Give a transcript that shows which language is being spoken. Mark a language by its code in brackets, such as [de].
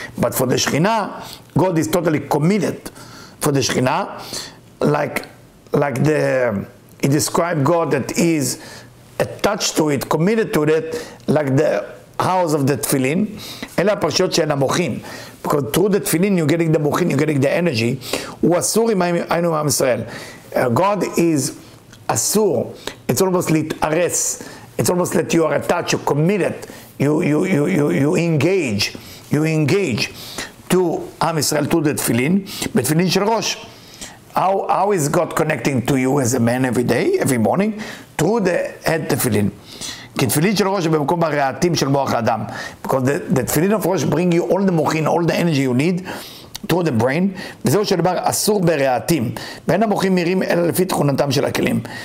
[en] But for the Shekhinah, God is totally committed for the Shekhinah, like the, he described God that is attached to it, committed to it, like the house of the tefillin, [he] אלה הפרשיות שאין המוכין. [en] Because through the tefillin, you're getting the mochin, you're getting the energy. [he] הוא אסור עם היינו עם ישראל. [en] God is אסור. It's almost להתארס. It's almost that you are attached, you're committed. You engage. You engage to עם ישראל, to the tefillin. [he] בתפילין של ראש. [en] How is God connecting to you as a man every day, every morning? Through the head tefillin. [he] כי תפילין של ראש במקום הרעתים של מוח האדם. [en] Because the תפילין of ראש bring you all the מוחין, all the energy you need through the brain. [he] וזהו שדבר אסור ברעתים. ואין המוחין מירים אלא לפי תכונתם של הכלים.